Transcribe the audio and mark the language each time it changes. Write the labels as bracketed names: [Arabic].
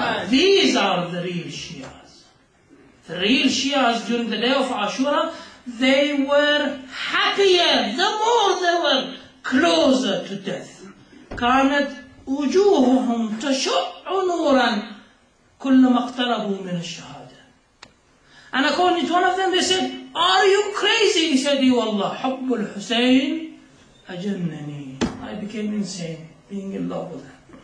[English] These are the real Shias. The real Shias during the day of Ashura, they were happier, the more they were closer to death. [Arabic] كانت وجوههم تشع نورا كلما اقتربوا من الشهادة. [English] And according to one of them, they said, "Are you crazy?" He said, "Yo Allah, [Arabic] حب الحسين أجنني." [English] I became insane being in love with him.